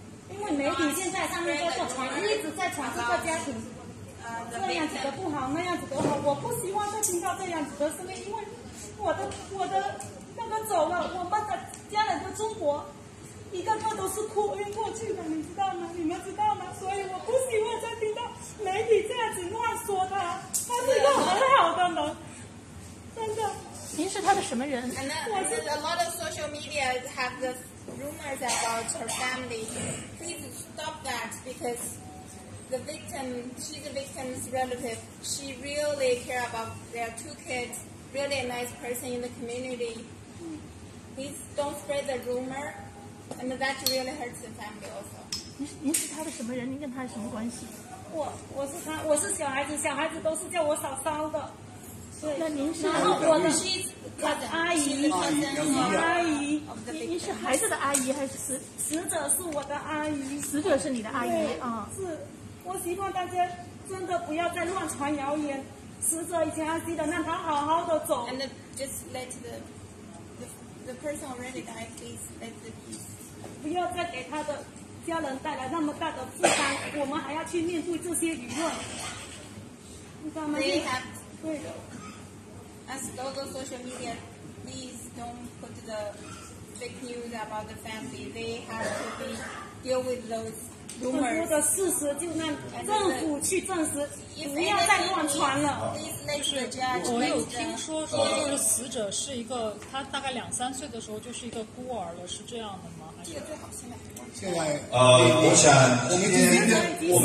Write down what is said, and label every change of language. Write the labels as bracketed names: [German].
[Chinese] 因为媒体现在上面都是传，一直在传这个家庭这样子的不好，那样子的好，我不希望再听到这样子的声音，因为我的那个走了，我们的家人的中国，一个个都是哭晕过去的，你知道吗？你们知道吗？所以我不希望再听到媒体这样子乱说他，他是一个很好的人，真的。您是他的什么人？我是 [English] a lot of social media have the rumors about her family. Please stop that because the victim, she's the victim's relative. She really care about their two kids, really a nice person in the community. Please don't spread the rumor, and that really hurts the family also. [Chinese] 您是他的什么人？您跟他有什么关系？我是他，我是小孩子，小孩子都是叫我嫂嫂的。对，那您是？然后我的阿姨，您是孩子的阿姨还是死者是我的阿姨？死者是你的阿姨啊、嗯？是。我希望大家真的不要再乱传谣言，死者已经安息了，让他好好的走。 [English] And just let the person already die, please let the peace. [Chinese] 不要再给他的家人带来那么大的负担，我们还要去面对这些舆论。 [English] They have [Chinese] to. 对的。 [English] As all the social media, please don't put the fake news about the family. They have to be deal with those. [Chinese] 很多的事实就让政府去证实，不要再乱传了。我有听说说这个死者是一个，他大概两三岁的时候就是一个孤儿了，是这样的吗？这个最好现在我想